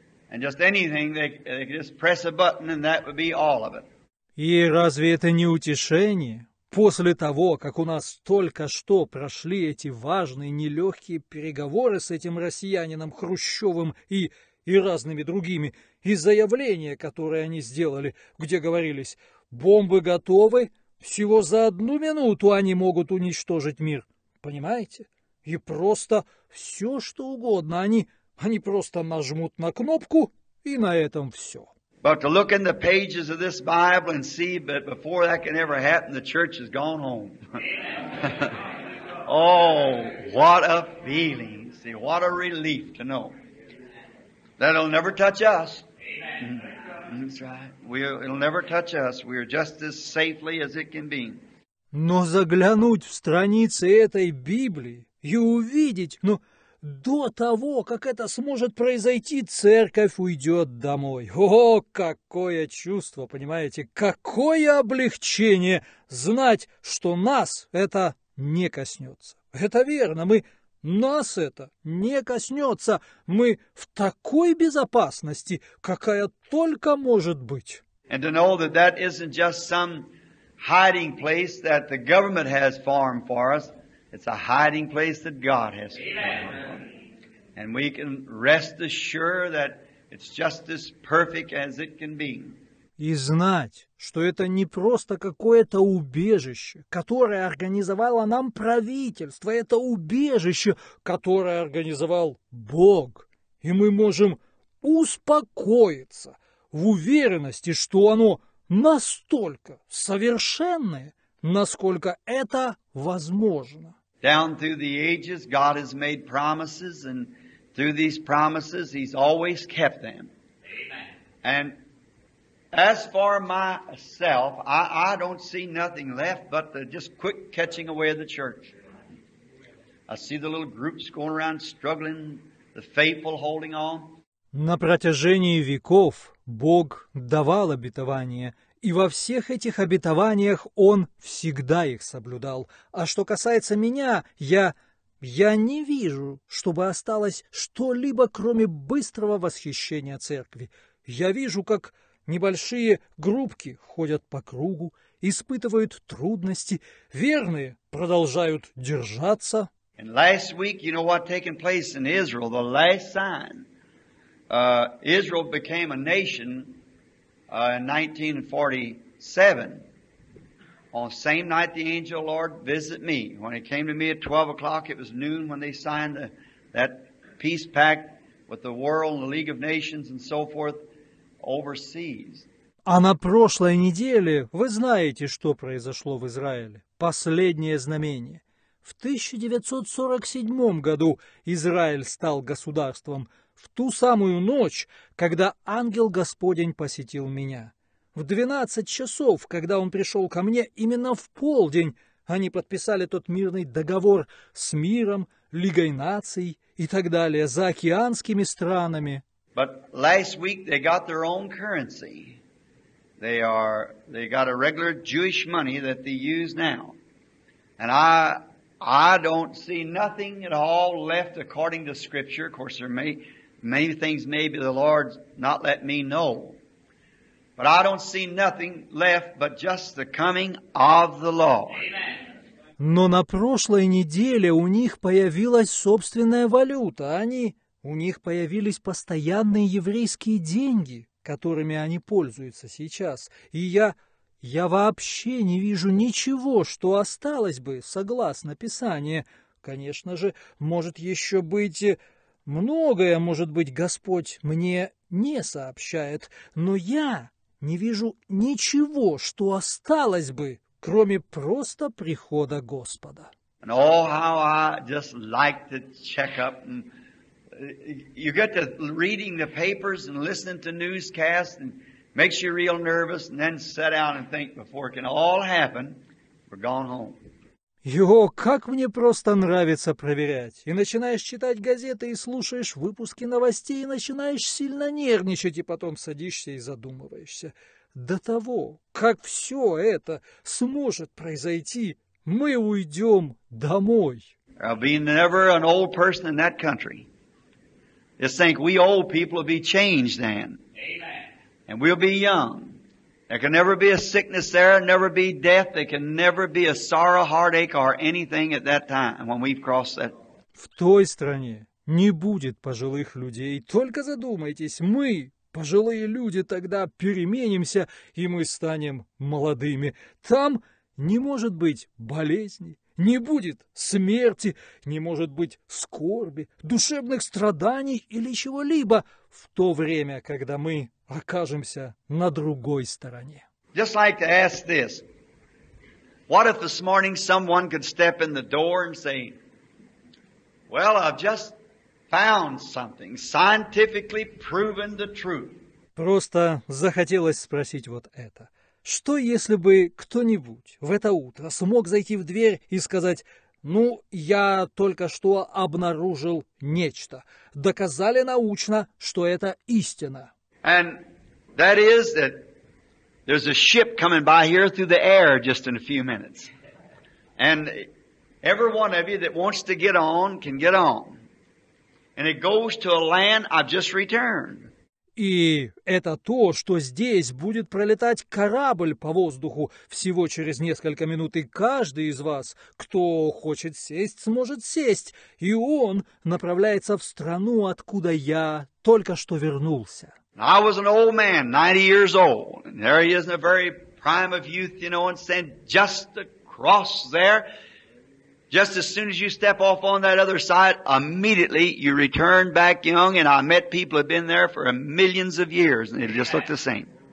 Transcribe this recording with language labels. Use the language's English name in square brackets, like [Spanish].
[English] And just anything, they could just press a button and that would be all of it. [Russian] И разве это не утешение? После того, как у нас только что прошли эти важные, нелегкие переговоры с этим россиянином Хрущевым и разными другими, и заявления, которые они сделали, где говорились, бомбы готовы, всего за одну минуту они могут уничтожить мир, понимаете? И просто все, что угодно, они просто нажмут на кнопку, и на этом все. [English] But to look in the pages of this Bible and see, but before that can ever happen, the church has gone home. Oh, what a feeling. See, what a relief to know. That'll never touch us. That's right. It'll never touch us. We are just as safely as it can be. [Russian] Но заглянуть в страницы этой Библии и увидеть, ну, до того, как это сможет произойти, церковь уйдет домой. О, какое чувство, понимаете, какое облегчение знать, что нас это не коснется. Это верно, нас это не коснется. Мы в такой безопасности, какая только может быть. [English] And to know that that isn't just some hiding place that the government has formed for us. It's a hiding place that God has found. And we can rest assured that it's just as perfect as it can be. [Russian] И знать, что это не просто какое-то убежище, которое организовало нам правительство, это убежище, которое организовал Бог. И мы можем успокоиться в уверенности, что оно настолько совершенное, насколько это возможно. [English] Down through the ages, God has made promises, and through these promises, He's always kept them. Amen. And as for myself, I don't see nothing left but the just quick catching away of the church. I see the little groups going around struggling, the faithful holding on. [Russian] На протяжении веков Бог давал обетования. И во всех этих обетованиях Он всегда их соблюдал. А что касается меня, я не вижу, чтобы осталось что-либо, кроме быстрого восхищения церкви. Я вижу, как небольшие группки ходят по кругу, испытывают трудности, верные продолжают держаться. [English] And last week, you know what taken place in Israel, the last sign. Israel became a nation. In 1947, on the same night the angel of the Lord visited me. When he came to me at 12 o'clock, it was noon when they signed that peace pact with the world and the League of Nations and so forth overseas. [Russian] А на прошлой неделе вы знаете, что произошло в Израиле. Последнее знамение. В 1947 году Израиль стал государством. В ту самую ночь, когда ангел Господень посетил меня. В 12 часов, когда он пришел ко мне, именно в полдень, они подписали тот мирный договор с миром, Лигой наций и так далее, за океанскими странами. [English] But last week they got their own currency. They got a regular Jewish money that they use now. And I don't see nothing at all left according to Scripture. Of course, there may... Many things maybe the Lord's not let me know. But I don't see nothing left but just the coming of the Lord. [Russian] Но на прошлой неделе у них появилась собственная валюта. У них появились постоянные еврейские деньги, которыми они пользуются сейчас. И я вообще не вижу ничего, что осталось бы, согласно Писанию. Конечно же, может еще быть... Многое, может быть, Господь мне не сообщает, но я не вижу ничего, что осталось бы, к кроме просто прихода Господа. [English] And oh, how I just like to check up. And you get to reading the papers and listening to newscasts and makes you real nervous and then sit down and think before it can all happen, we're gone home. [Russian] Его, как мне просто нравится проверять. И начинаешь читать газеты, и слушаешь выпуски новостей, и начинаешь сильно нервничать, и потом садишься и задумываешься. До того, как все это сможет произойти, мы уйдем домой. [English] I'll be never an old person in that country. Just think, we old people will be changed then. Amen. And we'll be young. There can never be a sickness there, never be death, there can never be a sorrow, heartache, or anything at that time when we've crossed that. [Russian] В той стране не будет пожилых людей. Только задумайтесь, мы, пожилые люди, тогда переменимся, и мы станем молодыми. Там не может быть болезни, не будет смерти, не может быть скорби, душевных страданий или чего-либо в то время, когда мы окажемся на другой стороне. [English] Just like to ask this. What if this morning someone could step in the door and say, well, I've just found something scientifically proven the truth. [Russian] Просто захотелось спросить вот это. Что если бы кто-нибудь в это утро смог зайти в дверь и сказать: ну, я только что обнаружил нечто. Доказали научно, что это истина. [English] And that is that there's a ship coming by here through the air just in a few minutes. And every one of you that wants to get on can get on. And it goes to a land I've just returned. [Russian] И это то, что здесь будет пролетать корабль по воздуху всего через несколько минут. И каждый из вас, кто хочет сесть, сможет сесть. И он направляется в страну, откуда я только что вернулся. [English] I was an old man, 90 years old, and there he is in the very prime of youth, you know, and said, just across there, just as soon as you step off on that other side, immediately you return back young, and I met people who have been there for millions of years, and they just look the same.